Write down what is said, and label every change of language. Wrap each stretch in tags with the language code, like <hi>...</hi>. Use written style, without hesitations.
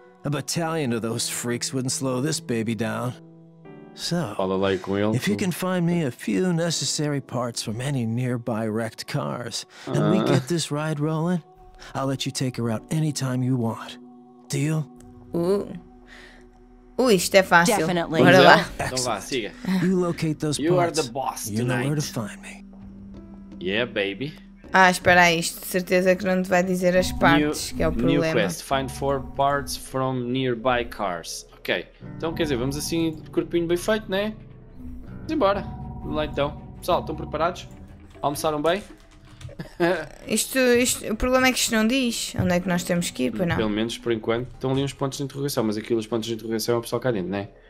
<en>A battalion of those freaks wouldn't slow this baby down. So, if you can find me a few necessary parts from any nearby wrecked cars, and we get this ride rolling, I'll let you take her out anytime you want. Deal?</en> <pt>Isto é fácil.</pt> <en>Definitely.</en> <pt>Bora lá. Então vá, siga.</pt> <en>You locate those you parts, are the boss tonight. You know where to find me. Yeah, baby.</en> <pt>Ah, espera aí, isto de certeza que não te vai dizer as partes, que é o problema.</pt> <en>New quest, find 4 parts from nearby cars.</en> <pt>Ok, então quer dizer, vamos assim de corpinho bem feito, né? Vamos embora, vamos lá então. Pessoal, estão preparados? Almoçaram bem? Isto, o problema é que isto não diz onde é que nós temos que ir, pois não? Pelo menos, por enquanto, estão ali uns pontos de interrogação, mas aquilo, os pontos de interrogação é o pessoal cá dentro, né?</pt>